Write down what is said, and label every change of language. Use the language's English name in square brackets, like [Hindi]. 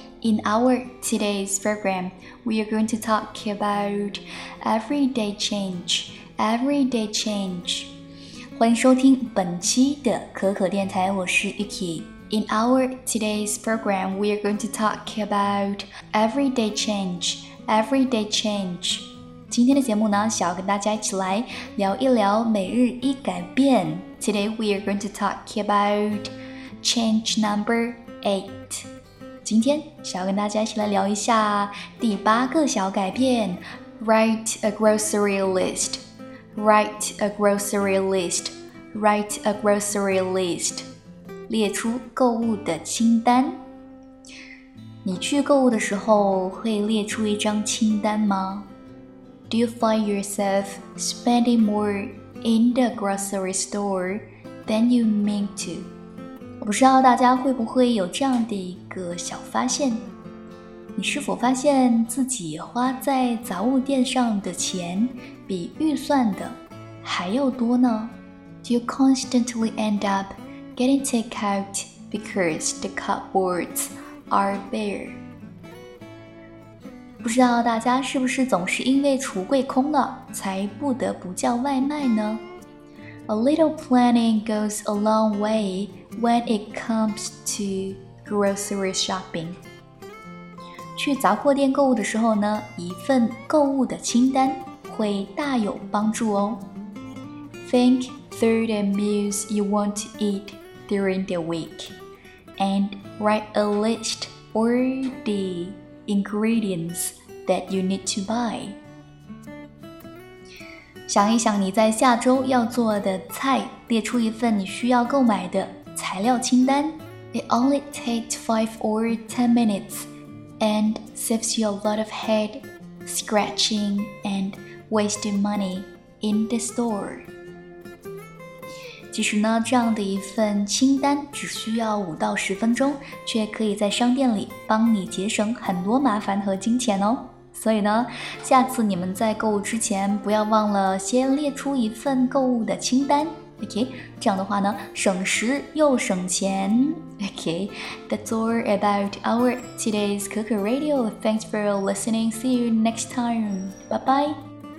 [English] In our today's program, we are going to talk about everyday change. Everyday change. [Chinese] 欢迎收听本期的可可电台，我是 Yuki。 [English] In our today's program, we are going to talk about everyday change. Everyday change. [Chinese] 今天的节目呢，想要跟大家一起来聊一聊每日一改变。 [English] Today we are going to talk about change number 8. [Chinese] 今天想要跟大家一起来聊一下第八个小改变。 [English] Write a grocery list. Write a grocery list. Write a grocery list. [Chinese] 列出购物的清单。你去购物的时候会列出一张清单吗？ [English] Do you find yourself spending more in the grocery store than you mean to? [Chinese] 我不知道大家会不会有这样的一个小发现。你是否发现自己花在杂物店上的钱比预算的还要多呢？ [English] Do you constantly end up getting takeout because the cupboards are bare? [Chinese] 不知道大家是不是总是因为橱柜空了才不得不叫外卖呢？ [English] A little planning goes a long way when it comes to grocery shopping. [Chinese] 去杂货店购物的时候呢，一份购物的清单会大有帮助哦。 [English] Think through the meals you want to eat during the week and write a list or the... ingredients that you need to buy. [Chinese] 想一想你在下周要做的菜，列出一份你需要购买的材料清单。 It only takes 5 or 10 minutes and saves you a lot of head scratching and wasting money in the store. 其实呢，这样的一份清单只需要5到10分钟，却可以在商店里帮你节省很多麻烦和金钱哦。所以呢，下次你们在购物之前，不要忘了先列出一份购物的清单。 OK， 这样的话呢，省时又省钱。 [English] OK， that's all about our today's Cuckoo Radio. Thanks for listening. See you next time. Bye bye.